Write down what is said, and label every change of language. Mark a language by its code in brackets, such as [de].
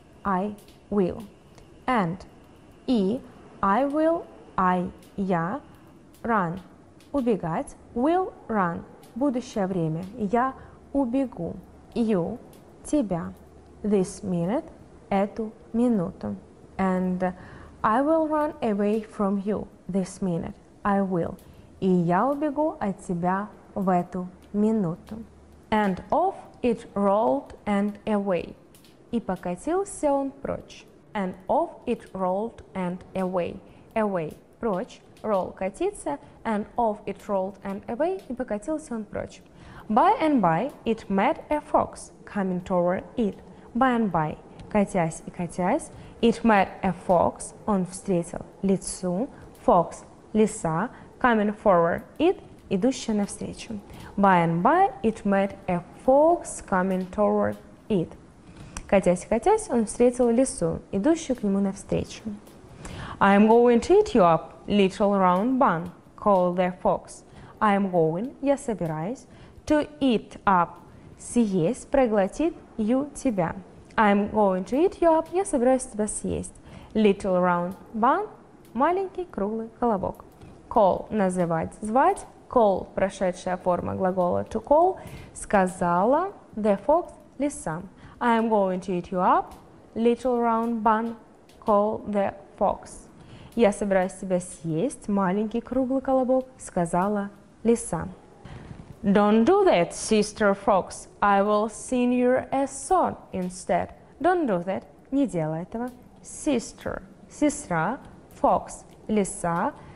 [en] I will. And [ru] и, [en] I will, I, [ru] я, [en] run, [ru] убегать, [en] will run, [ru] будущее время, я убегу, [en] you, [ru] тебя, [en] this minute, [ru] эту минуту. [en] And I will run away from you this minute. I will. [ru] И я убегу от тебя в эту минуту. [en] And off it rolled and away. [ru] И покатился он прочь. [en] And off it rolled and away. Away. [ru] Прочь. [en] Roll. [ru] Катиться. [en] And off it rolled and away. [ru] И покатился он прочь. [en] By and by it met a fox coming toward it. By and by. [ru] Катясь и катясь. [en] It met a fox. [ru] Он встретил лису. [en] Fox. [ru] Лиса. [en] Coming forward it. [ru] Идущая навстречу. [en] By and by, it met a fox coming toward it. [ru] Катясь и катясь, он встретил лису, идущую к нему навстречу. [en] I'm going to eat you up, little round bun, called the fox. I'm going, [ru] я собираюсь. [en] To eat up, [ru] съесть, проглотить [en] you, [ru] тебя. [en] I'm going to eat you up, [ru] я собираюсь тебя съесть. [en] Little round bun, [ru] маленький круглый колобок. [en] Call, [ru] называть, звать. Call, прошедшая форма глагола [en] to call, [ru] сказала. [en] The fox, [ru] лиса. [en] I'm going to eat you up, little round bun, call the fox. [ru] Я собираюсь тебя съесть, маленький круглый колобок, сказала лиса. [en] Don't do that, sister fox. I will sing you a song instead. Don't do that. [ru] Не делай этого. [en] Sister. [ru] Сестра. [en] Fox. [ru] Лиса.